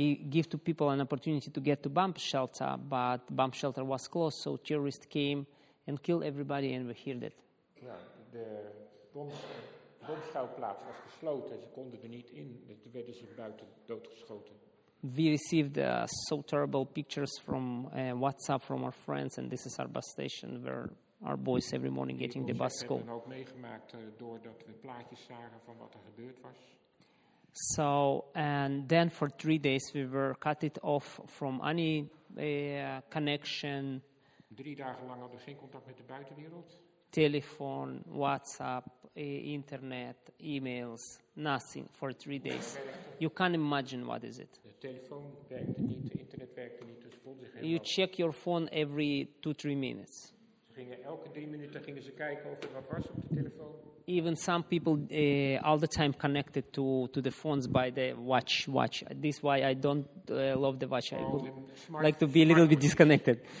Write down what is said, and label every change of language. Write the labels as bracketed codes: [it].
[en] Give to people an opportunity to get to bomb shelter, but bomb shelter was closed, so terrorists came and killed everybody and we heard it. [nl] Ja, de bomschuilplaats was gesloten, ze konden er niet in, er werden ze buiten doodgeschoten. [en] We received so terrible pictures from WhatsApp from our friends, and this is our bus station where our boys every morning getting the bus school. [nl] We hebben ook meegemaakt doordat we plaatjes zagen van wat er gebeurd was. [en] So, and then for 3 days we were cut it off from any connection. [nl] 3 dagen lang hadden we geen contact met de buitenwereld. [en] Telefoon, WhatsApp, internet, emails, nothing for 3 days. You can't imagine what is it. [nl] De telefoon werkte niet, de internet werkte niet, dus voelde zich heel. [en] You check your phone every 2-3 minutes. [nl] Ze gingen elke 3 minuten gingen ze kijken of er wat was op de telefoon. [en] Even some people all the time connected to the phones by the watch. This is why I don't love the watch. I would like to be a little bit disconnected.